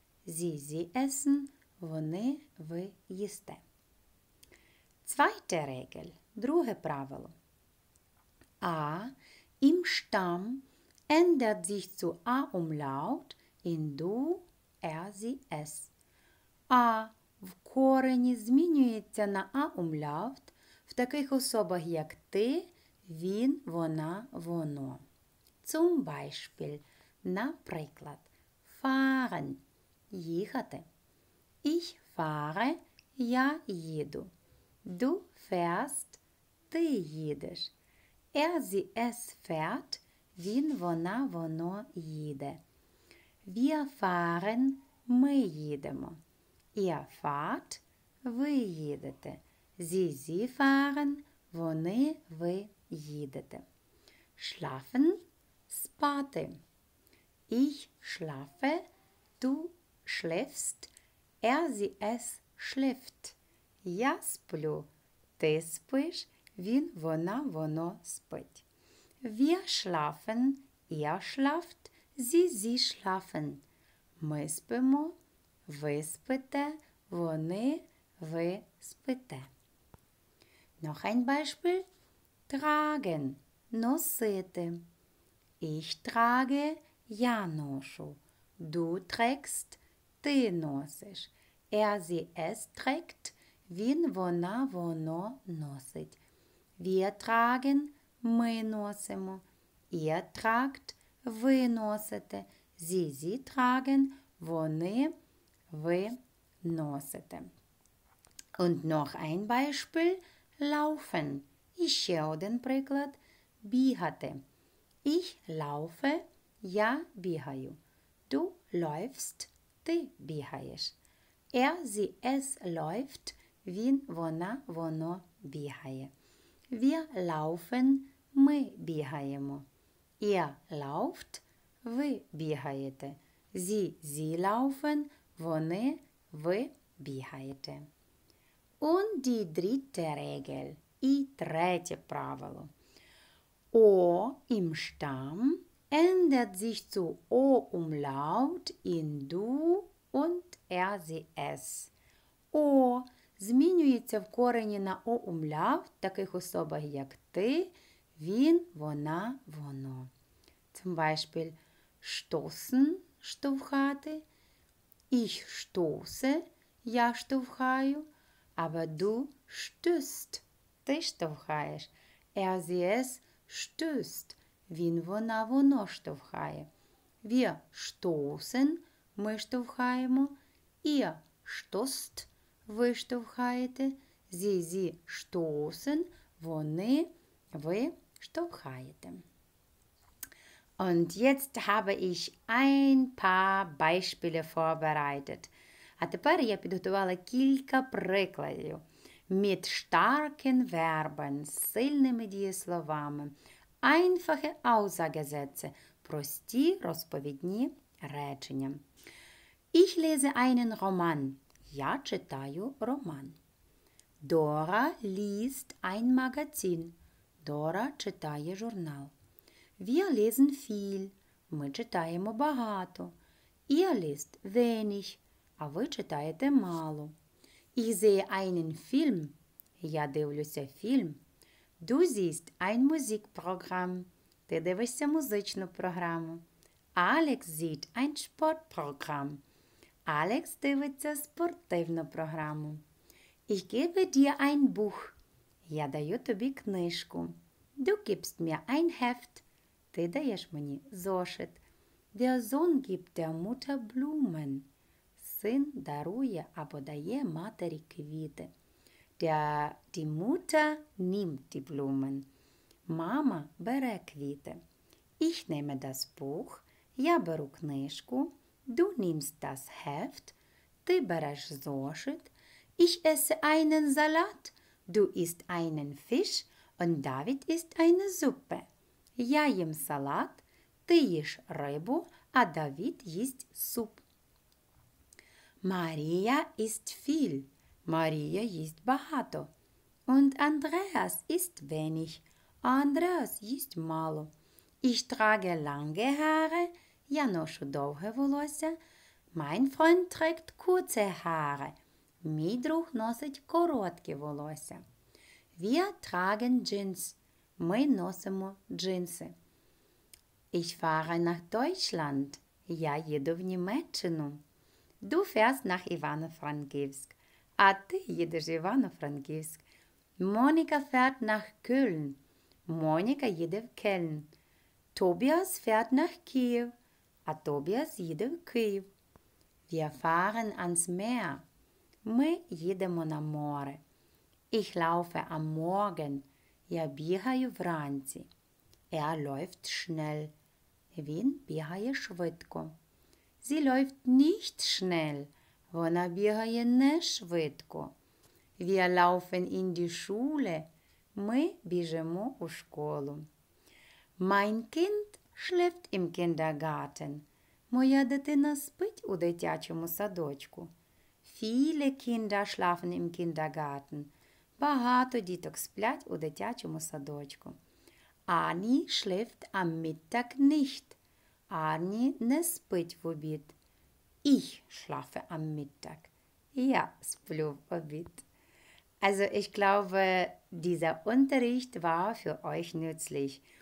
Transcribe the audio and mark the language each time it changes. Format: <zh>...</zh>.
<de>Sie essen,</de> <uk>вони, ви їсте.</uk> <de>Zweite Regel, друге правило. A im Stamm ändert sich zu A umlaut in du, er, sie, es. A</de> <uk>в корені змінюється на а-умляут в таких особах, як ти, він, вона, воно.</uk> <de>Zum Beispiel,</de> <uk>наприклад,</uk> <de>fahren,</de> <uk>їхати.</uk> <de>Ich fahre,</de> <uk>я їду.</uk> <de>Du fährst,</de> <uk>ти їдеш.</uk> <de>Sie, es fährt,</de> <uk>він, вона, воно їде.</uk> <de>Wir fahren,</de> <uk>ми їдемо.</uk> <de>Ihr fahrt,</de> <uk>ви їдете.</uk> <de>Sie fahren,</de> <uk>вони, ви їдете.</uk> <de>Schlafen, спати. Ich schlafe, du schläfst, sie, es schläft.</de> <uk>Я сплю, ти спиш, він, вона, воно спить.</uk> <de>Wir schlafen, ihr schlaft, sie schlafen.</de> <uk>Ми спимо, ви спите, вони, ви спите.</uk> <de>Noch ein Beispiel. Tragen,</de> <uk>носити.</uk> <de>Ich trage,</de> <uk>я ношу.</uk> <de>Du trägst,</de> <uk>ти носиш.</uk> <de>Sie, es trägt,</de> <uk>він, вона, воно носить.</uk> <de>Wir tragen,</de> <uk>ми носимо.</uk> <de>Ihr tragt,</de> <uk>ви носите.</uk> <de>Sie tragen,</de> <uk>вони, ви носите.</uk> <de>Und noch ein Beispiel. Laufen.</de> <uk>Ще один приклад. Бігати.</uk> <de>Ich laufe,</de> <uk>я бігаю.</uk> <de>Du läufst,</de> <uk>ти бігаєш.</uk> <de>Sie, es läuft,</de> <uk>він, вона, воно бігає.</uk> <de>Wir laufen,</de> <uk>ми бігаємо.</uk> <de>Ihr lauft,</de> <uk>ви бігаєте.</uk> <de>Sie laufen,</de> <uk>вони, ви бігаєте.</uk> <de>Und die dritte Regel.</de> <uk>І третє правило.</uk> <de>O im Stamm ändert sich zu O-Umlaut in Du und sie, es.</de> <uk>O змінюється в корені на О-Умляут в таких особах, як ти, він, вона, воно.</uk> <de>Zum Beispiel stoßen,</de> <uk>штовхати.</uk> <de>Ich stoße,</de> <uk>я штовхаю.</uk> <de>Aber du stößt,</de> <uk>ти штовхаєш.</uk> <de>Sie, es stößt,</de> <uk>він, вона, воно штовхає.</uk> <de>Wir stoßen,</de> <uk>ми штовхаємо.</uk> <de>Ihr stoßt,</de> <uk>ви штовхаєте.</uk> <de>Sie stoßen,</de> <uk>вони, ви штовхаєте.</uk> <de>Und jetzt habe ich ein paar Beispiele vorbereitet.</de> <uk>А тепер я підготувала кілька прикладів.</uk> <de>Mit starken Verben,</de> <uk>сильними дієсловами.</uk> <de>Einfache Aussagesätze,</de> <uk>прості розповідні речення.</uk> <de>Ich lese einen Roman.</de> <uk>Я читаю роман.</uk> <de>Dora liest ein Magazin.</de> <uk>Dora читає журнал.</uk> <de>Wir lesen viel.</de> <uk>Ми читаємо багато.</uk> <de>Ihr liest wenig.</de> <uk>А ви читаєте мало.</uk> <de>Ich sehe einen Film.</de> <uk>Я дивлюся фільм.</uk> <de>Du siehst ein Musikprogramm.</de> <uk>Ти дивишся музичну програму.</uk> <de>Alex sieht ein Sportprogramm.</de> <uk>Alex дивиться спортивну програму.</uk> <de>Ich gebe dir ein Buch.</de> <uk>Я даю тобі книжку.</uk> <de>Du gibst mir ein Heft.</de> <uk>Ти даєш мені зошит.</uk> <de>Der Sohn gibt der Mutter Blumen.</de> <uk>Син дарує або дає матері квіти.</uk> <de>Die Mutter nimmt die Blumen.</de> <uk>Мама бере квіти.</uk> <de>Ich nehme das Buch.</de> <uk>Я беру книжку.</uk> <de>Du nimmst das Heft.</de> <uk>Ти береш зошит.</uk> <de>Ich esse einen Salat. Du isst einen Fisch. Und David isst eine Suppe.</de> <uk>Я їм салат. Ти їш рибу. А Давид їсть суп.</uk> <de>Maria isst viel. Maria isst</de> <uk>багато.</uk> <de>Und Andreas isst wenig. Andreas isst</de> <uk>мало.</uk> <de>Ich trage lange Haare.</de> <uk>Я ношу довге волосся.</uk> <de>Mein Freund trägt kurze Haare.</de> <uk>Мій друг носить короткі волосся.</uk> <de>Wir tragen Jeans.</de> <uk>Ми носимо джинси.</uk> <de>Ich fahre nach Deutschland.</de> <uk>Я їду в Німеччину.</uk> <de>Du fährst nach Ivano-Frankivsk.</de> <uk>Ati jedesz</uk> <de>Ivano-Frankivsk. Monika fährt nach Köln.</de> <uk>Monika jede Köln.</uk> <de>Tobias fährt nach Kiew.</de> <uk>A Tobias jede Kiew.</uk> <de>Wir fahren ans Meer.</de> <uk>Мы едемо на море.</uk> <de>Ich laufe am Morgen.</de> <uk>Я бігаю вранці.</uk> <de>Läuft schnell.</de> <uk>Він бігає швидко.</uk> <de>Sie läuft nicht schnell.</de> <uk>Вона бігає не швидко.</uk> <de>Wir laufen in die Schule.</de> <uk>Ми біжимо у школу.</uk> <de>Mein Kind schläft im Kindergarten.</de> <uk>Моя дитина спить у дитячому садочку.</uk> <de>Viele Kinder schlafen im Kindergarten.</de> <uk>Багато діток сплять у дитячому садочку.</uk> <de>Ані schläft am Mittag nicht.</de> <uk>Ані не спить в обід.</uk> <de>Ich schlafe am Mittag.</de> <uk>Я сплю в обід.</uk> <de>Also ich glaube, dieser Unterricht war für euch nützlich.</de>